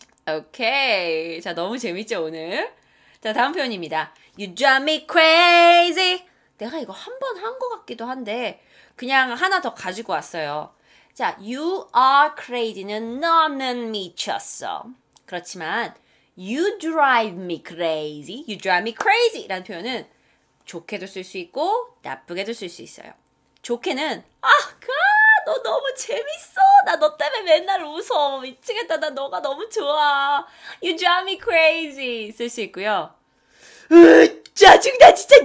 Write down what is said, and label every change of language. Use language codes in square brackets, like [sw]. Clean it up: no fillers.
[ko] 오케이. 자, 너무 재밌죠, 오늘? 자, 다음 표현입니다. [en] You drive me crazy. [ko] 내가 이거 한번한것 같기도 한데, 그냥 하나 더 가지고 왔어요. 자, [en] you are crazy [ko] 는 너는 미쳤어. 그렇지만, [en] you drive me crazy. You drive me crazy. [ko] 라는 표현은 좋게도 쓸수 있고, 나쁘게도 쓸수 있어요. 좋게는, 너 너무 재밌어. 나너 때문에 맨날 웃어. 미치겠다. 나 너가 너무 좋아. [en] You drive me crazy. [ko] 쓸수 있고요. 짜증 나 진짜.